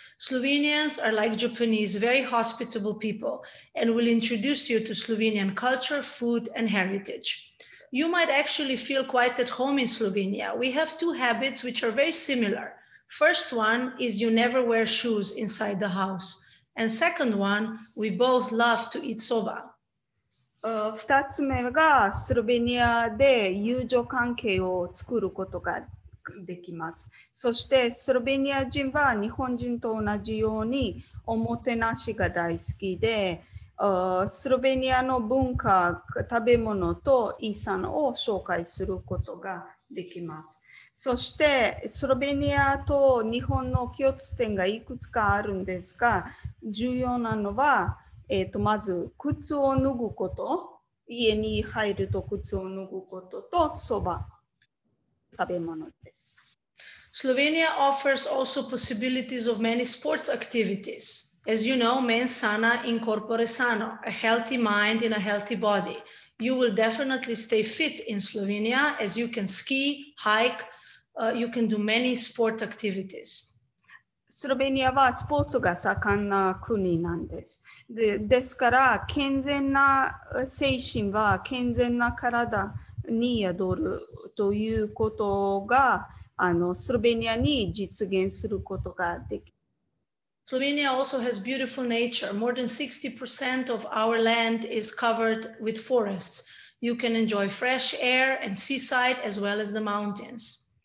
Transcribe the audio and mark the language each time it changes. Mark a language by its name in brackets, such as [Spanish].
[English] Slovenians are like Japanese, very hospitable people, and will introduce you to Slovenian culture, food, and heritage. You might actually feel quite at home in Slovenia. We have two habits which are very similar. First one is you never wear shoes inside the house. And second one, we both love to eat soba. [Japanese] 二つ目がスロベニアで友情関係を作ることができます。そしてスロベニア人は日本人と同じようにおもてなしが大好きで、スロベニアの文化、食べ物と遺産を紹介することができます。そしてスロベニアと日本の共通点がいくつかあるんですが、重要なのは、まず靴を脱ぐこと、家に入ると靴を脱ぐこととそば、食べ物です。 [English] Slovenia offers also possibilities of many sports activities. As you know, [Latin] mens sana in corpore sano, [English] a healthy mind in a healthy body. You will definitely stay fit in Slovenia as you can ski, hike, you can do many sport activities. [Japanese] Slovenia はスポーツが盛んな国なんです。ですから、健全な精神は健全な体に宿るということが、スロベニアに実現することができ [English] Slovenia also has beautiful nature. More than 60% of our land is covered with forests. You can enjoy fresh air and seaside as well as the mountains.